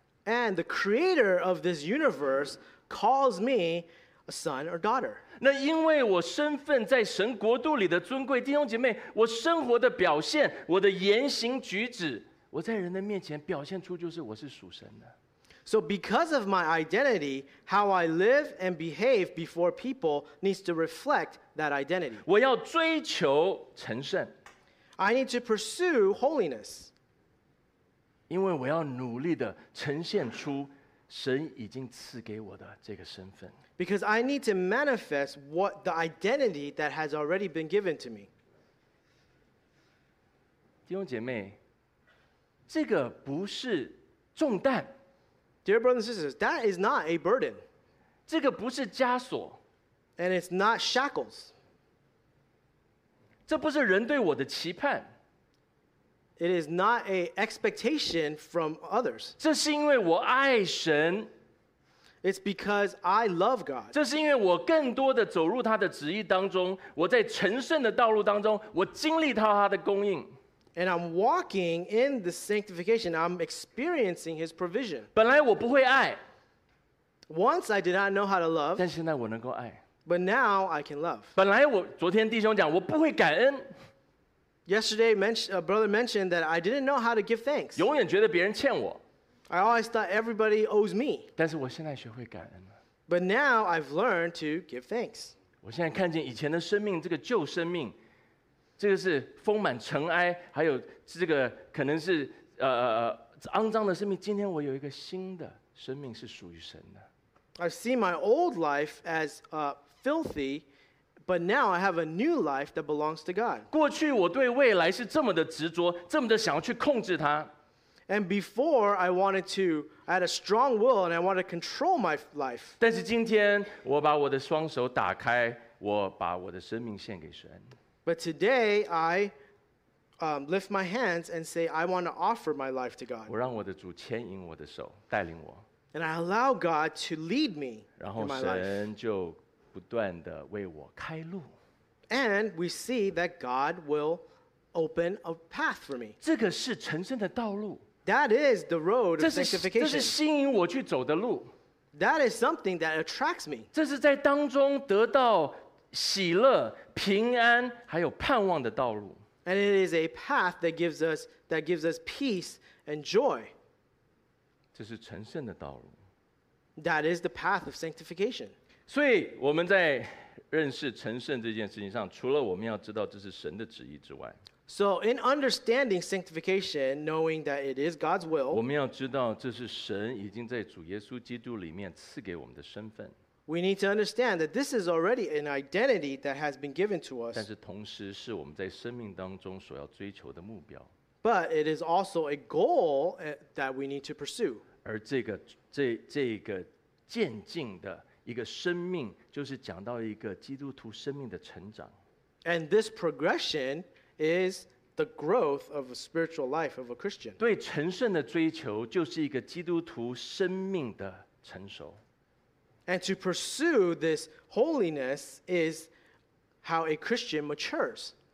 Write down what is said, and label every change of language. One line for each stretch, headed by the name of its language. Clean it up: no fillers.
English: And the creator of this universe calls me a son or daughter.
Chinese: 那因为我身份在神国度里的尊贵，弟兄姐妹，我生活的表现，我的言行举止，我在人的面前表现出就是我是属神的。
English: So because of my identity, how I live and behave before people needs to reflect that identity.
Chinese: 我要追求成圣。
English: I need to pursue holiness.
Chinese: 因为我要努力地呈现出神已经赐给我的这个身份。
English: Because I need to manifest what the identity that has already been given to me.
Chinese: 弟兄姐妹，这个不是重担。
English: Dear brothers and sisters, that is not a burden.
Chinese: 这个不是枷锁。
English: And it's not shackles.
Chinese: 这不是人对我的期盼。
English: It is not an expectation from others.
Chinese: 这是因为我爱神。
English: It's because I love God.
Chinese: 这是因为我更多的走入他的旨意当中，我在成圣的道路当中，我经历到他的供应。
English: And I'm walking in the sanctification. I'm experiencing his provision.
Chinese: 本来我不会爱。
English: Once I did not know how to love.
Chinese: 但现在我能够爱。
English: But now I can love.
Chinese: 本来我昨天弟兄讲我不会感恩。
English: Yesterday, a brother mentioned that I didn't know how to give thanks.
Chinese: 永远觉得别人欠我。
English: I always thought everybody owes me.
Chinese: 但是我现在学会感恩了。
English: But now I've learned to give thanks.
Chinese: 我现在看见以前的生命，这个旧生命，这个是丰满尘埃，还有这个可能是肮脏的生命。今天我有一个新的生命，是属于神的。
English: I see my old life as filthy, but now I have a new life that belongs to God.
Chinese: 过去我对未来是这么的执着，这么的想要去控制它。
English: And before I had a strong will and I wanted to control my life.
Chinese: 但是今天我把我的双手打开，我把我的生命献给神。
English: But today, I lift my hands and say, I want to offer my life to God.
Chinese: 我让我的主牵引我的手，带领我。
English: And I allow God to lead me in my life.
Chinese: 然后神就不断地为我开路。
English: And we see that God will open a path for me.
Chinese: 这个是成圣的道路。
English: That is the road of sanctification.
Chinese: 这是吸引我去走的路。
English: That is something that attracts me.
Chinese: 这是在当中得到喜乐、平安还有盼望的道路。
English: And it is a path that gives us, peace and joy.
Chinese: 这是成圣的道路。
English: That is the path of sanctification.
Chinese: 所以我们在认识成圣这件事情上，除了我们要知道这是神的旨意之外，
English: So in understanding sanctification, knowing that it is God's will,
Chinese: 我们要知道这是神已经在主耶稣基督里面赐给我们的身份。
English: We need to understand that this is already an identity that has been given to us.
Chinese: 但是同时是我们在生命当中所要追求的目标。
English: But it is also a goal that we need to pursue.
Chinese: 而这个渐进的一个生命，就是讲到一个基督徒生命的成长。
English: And this progression is the growth of a spiritual life of a Christian.
Chinese: 对成圣的追求，就是一个基督徒生命的成熟。
English: And to pursue this holiness is how a Christian matures.